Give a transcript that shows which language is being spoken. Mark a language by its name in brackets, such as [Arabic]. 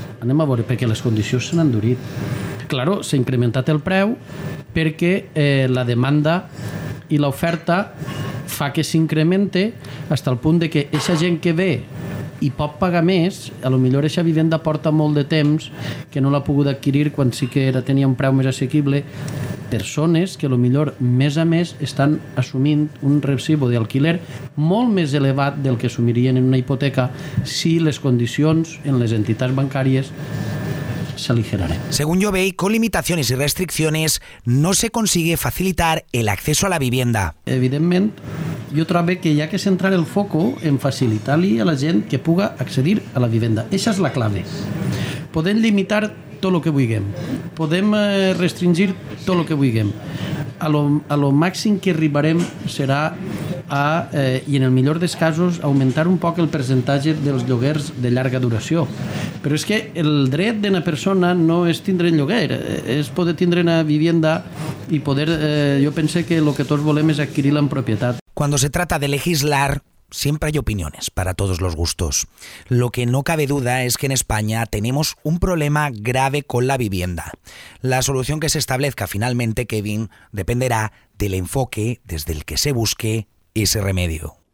[Catalan] Anem a veure, perquè les condicions s'han endurit. Claro, s'ha incrementat el preu perquè la demanda i l'oferta fa que s'incremente fins al punt de que aquesta gent que ve i pot pagar més, a lo millor aquesta vivenda porta molt de temps que no l'ha pogut adquirir quan sí que era, tenia un preu més assequible. Persones que a lo millor més a més estan assumint un recibo d'alquiler molt més elevat del que assumirien en una hipoteca si les condicions en les entitats bancàries s'aligeraran. [Spanish] Según Llobey, con limitaciones y restricciones no se consigue facilitar el acceso a la vivienda. [Catalan] Evidentment, jo trobo que hi ha que centrar el foco en facilitar-li a la gent que puga accedir a la vivenda. Eixa és la clave. Podem limitar tot el que vulguem. Podem restringir tot el que vulguem. A lo màxim que arribarem serà i en el millor dels casos, augmentar un poc el percentatge dels lloguers de llarga duració. Però és que el dret d'una persona no és tindre en lloguer, és poder tindre una vivienda i poder... jo penso que el que tots volem és adquirir-la en propietat. [Spanish] Cuando se trata de legislar, siempre hay opiniones para todos los gustos. Lo que no cabe duda es que en España tenemos un problema grave con la vivienda. La solución que se establezca finalmente, Kevin, dependerá del enfoque desde el que se busque ese remedio.